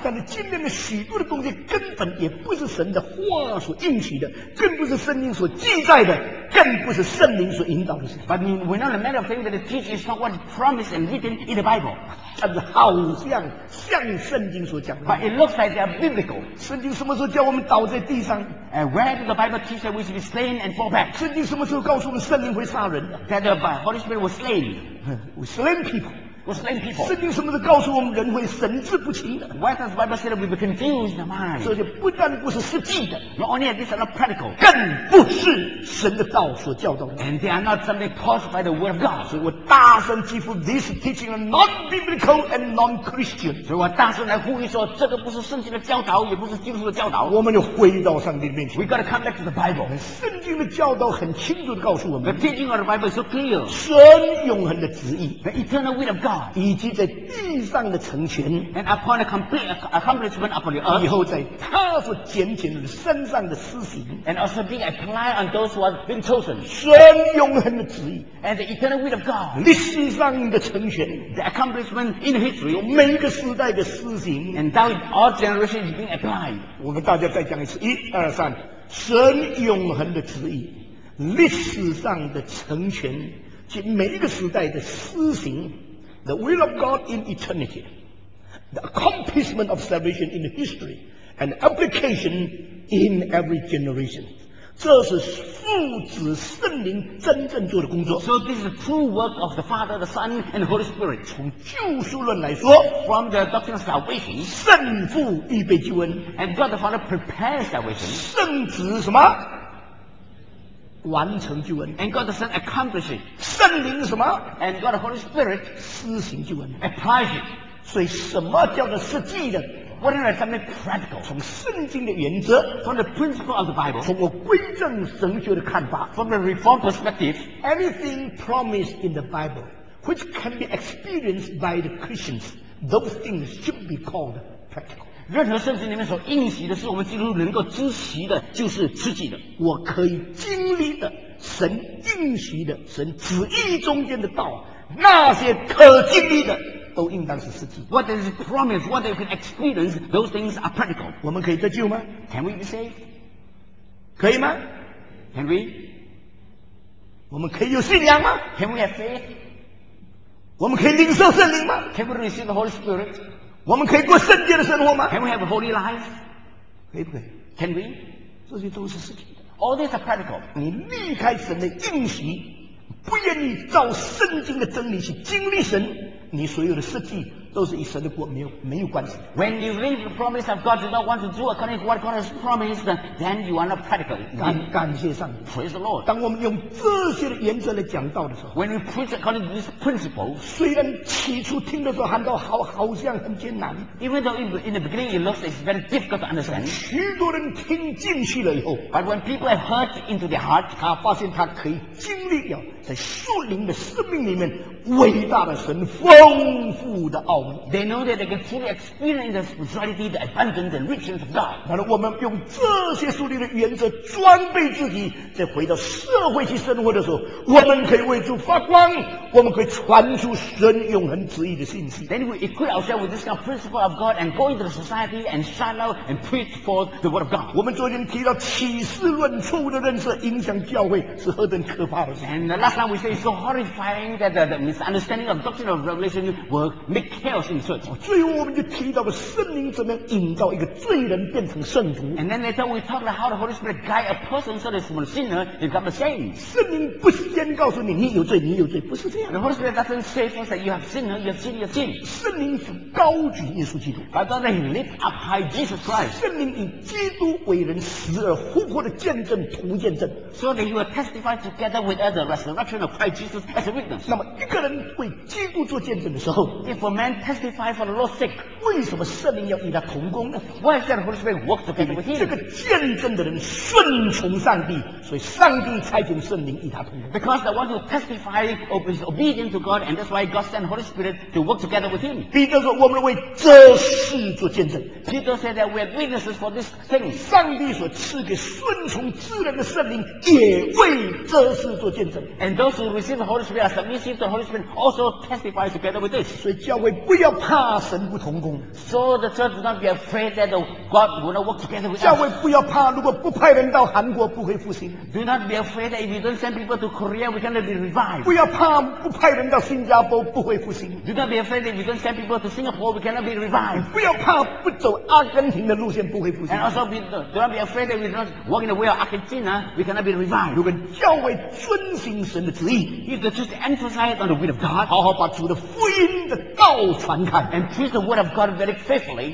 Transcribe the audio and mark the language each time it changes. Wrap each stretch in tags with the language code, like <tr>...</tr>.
<zh>但是今天的许多的东西根本也不是神的话所应许的，更不是圣经所记载的，更不是圣灵所引导的事情。</zh> <en>But we know the matter of things that they teach is not what is promised and written in the Bible.</en> <zh>但是好像像圣经所讲的</zh> <en>，But it looks like. They are biblical.</en> <zh>圣经什么时候叫我们倒在地上</zh> <en>？And where did the Bible teach that we should be slain and fall back?</en> <zh>圣经什么时候告诉我们圣灵会杀人</zh> <en>？That the Holy Spirit was slain. We slain people.</en> <zh>圣经什么时候告诉我们人会神志不清</zh> <en>？Why does the Bible say that we be confused in mind?</en> <zh>所以不但不是实际的</zh> <en>，Not only are these not practical,</en> <zh>更不是神的道所教导的。</zh> <en>And they are not something caused by the Word of God.</en> <zh>所以我大声疾呼</zh> <en>，These teachings are non-biblical and non-Christian.</en> <zh>所以我大声来呼吁说，这个不是圣经的教导，也不是基督的教导。我们要回到上帝面前。</zh> <en>We got to come back to the Bible.</en> <zh>圣经的教导很清楚地告诉我们</zh> <en>，The teaching of the Bible is so clear.</en> <zh>神永恒的旨意</zh> <en>，The eternal will of God.</en> <zh>以及在地上的成全</zh> <en>，and upon a complete accomplishment upon the earth，</en> <zh>以后在他所拣选的身上的施行</zh> <en>，and also being applied on those who have been chosen，</en> <zh>神永恒的旨意</zh> <en>，and the eternal will of God，</en> <zh>历史上的成全</zh> <en>，the accomplishment in history，</en> <zh>每一个时代的施行</zh> <en>，and now all generations being applied。</en> <zh>我们大家再讲一次，一二三，神永恒的旨意，历史上的成全，及每一个时代的施行。</zh> <en>The will of God in eternity, the accomplishment of salvation in history, and application in every generation.</en> <zh>这是父子圣灵真正做的工作。</zh> <en>So this is the true work of the Father, the Son, and the Holy Spirit.</en> <zh>从救赎论来说</zh> <en>，from the doctrine of salvation,</en> <zh>圣父预备救恩</zh> <en>，and God the Father prepares salvation.</en> <zh>圣子什么？完成救恩</zh> <en>，and God the Son accomplishes</en> <zh>圣灵什么</zh> <en>，and God the Holy Spirit</en> <zh>施行救恩</zh> <en>，applies it。</en> <zh>所以什么叫做实际的</zh> <en>？What is something practical？</en> <zh>从圣经的原则</zh> <en>，from the principle of the Bible，</en> <zh>从我归正神学的看法</zh> <en>，from the Reformed perspective。 Anything promised in the Bible which can be experienced by the Christians， those things should be called practical。</en> <zh>任何圣经里面所应许的是我们基督徒能够知悉的就是实际的我可以经历的神应许的神旨意中间的道那些可经历的都应当是实际</zh> <en>What is promised What you can experience Those things are practical</en> <zh>我们可以得救吗</zh> <en>Can we be saved</en> <zh>可以吗</zh> <en>Can we</en> <zh>我们可以有信仰吗</zh> <en>Can we have faith</en> <zh>我们可以领受圣灵吗</zh> <en>Can we receive the Holy Spirit</en> <zh>我们可以过圣洁的生活吗</zh> <en>？Can we have a holy life？</en> <zh>可以不可以</zh> <en>？Can we？</en> <zh>这些都是实际的。</zh> <en>All these are practical。</en> <zh>你离开神的应许，不愿意照圣经的真理去经历神，你所有的实际都是与神的国没有关系。</zh> <en>When you leave the promise of God, you don't want to do according to what God has promised, then you are not practical.</en> <zh>感谢上帝</zh> <en>，Praise the Lord。</en> <zh>当我们用这些的原则来讲道的时候</zh> <en>，When we preach according to this principle，</en> <zh>虽然起初听的时候喊到好像很艰难</zh> <en>，Even though in the beginning it looks it's very difficult to understand，</en> <zh>许多人听进去了以后</zh> <en>，But when people have heard into their heart，</en> <zh>他发现他可以经历了在属灵的生命里面伟大的神丰富的奥。</zh> <en>They know that they can fully experience the spirituality, the abundance and richness of God.</en> <zh>然后我们用这些属灵的原则装备自己，在回到社会去生活的时候，我们可以为主发光，我们可以传出神永恒旨意的信息。</zh> <en>Then we equip ourselves with this kind of principle of God and go into the society and shine out and preach forth the word of God.</en> <zh>我们昨天提到启示论错误的认识影响教会是何等可怕的事。</zh> <en>And the last time we say it's so horrifying that the misunderstanding of doctrine of revelation will make chaos in the church.</en> <zh>最后我们就提到了圣灵怎么样引导一个罪人变成圣徒。</zh> <en>And then later we talk about how the Holy Spirit guide a person so that from a sinner they become a saint.</en> <zh>圣灵不先告诉你你有罪，你有罪，不是这样。</zh> <en>The Holy Spirit doesn't say first that you have sinned, you have sinned, you have sinned.</en> <zh>圣灵是高举耶稣基督。</zh> <en>But God then lift up high Jesus Christ.</en> <zh>圣灵以基督为人死而复活的见证图见证。</zh> <en>So that he will testify together with us the resurrection of Christ Jesus as a witness.</en> <zh>那么一个人为基督做见证的时候</zh> <en>，If a man testify for the Lord's sake，</en> <zh>为什么圣灵要与他同工呢</zh> <en>？Why does the Holy Spirit work together with him？</en> <zh>这个见证的人顺从上帝，所以上帝差遣圣灵与他同工。</zh> <en>Because the one who testifies is obedient to God, and that's why God sent the Holy Spirit to work together with him.</en> <zh>彼得说：“我们为这事做见证。”</zh> <en>Peter said that we are witnesses for this thing.</en> <zh>上帝所赐给顺从之人的圣灵也为这事做见证。</zh> <en>And those who receive the Holy Spirit are submissive to the Holy Spirit also testify together with this.</en> <zh>所以教会不要怕神不同工。</zh> <en>So the church do not be afraid that God will not work together with us.</en> <zh>教会不要怕如果不派人到韩国不会复兴。</zh> <en>Do not be afraid that if you don't send people to Korea we cannot be revived.</en> <zh>不要怕不派人到新加坡不会复兴。</zh> <en>Do not be afraid that if you don't send people to Singapore we cannot be revived.</en> <zh>不要怕不走阿根廷的路线不会复兴。</zh> <en>And also do not be afraid that if we don't walk in the way of Argentina we cannot be revived.</en> <zh>如果教会遵行神的旨意</zh> <en>if the church emphasize on the will of God</en> <zh>好好把主的福音的道传开</zh> <en>and preach the word of God very faithfully</en>